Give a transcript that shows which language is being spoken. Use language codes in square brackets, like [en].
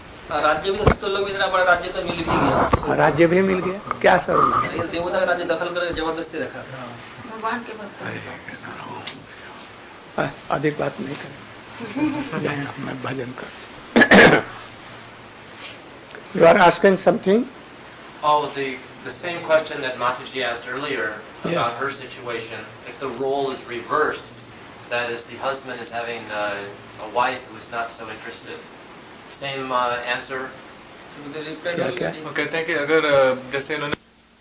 [hi] राज्य भी तो लोग इतना बड़ा राज्य तो मिल गया, राज्य भी मिल गया, क्या सर देवता राज्य दखल कर जबरदस्ती रखा भगवान के भक्त। अधिक बात नहीं करें, जाएं हमें भजन कर। [en] You are asking something? Oh, the same question that Mataji asked earlier about her situation. If the role is reversed, that is, the husband is having a wife who is not so interested. Same answer. [hi] वो कहते हैं कि अगर जैसे इन्होंने